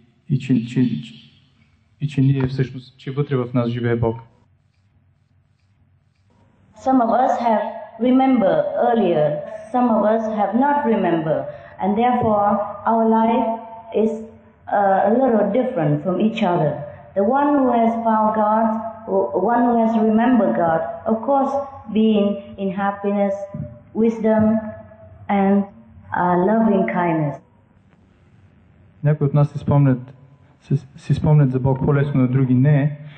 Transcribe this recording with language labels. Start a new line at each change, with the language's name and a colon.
Bulgarian: И че ние всъщност, че вътре в нас живее Бог.
English: Some of us have remembered earlier, some of us have not remembered, and therefore our life is a little different from each other. The one who has found God, one who has remembered God, of course, being in happiness, wisdom, and loving kindness.
Bulgarian: Някои от нас си спомнят за Бог по-лесно, на други не.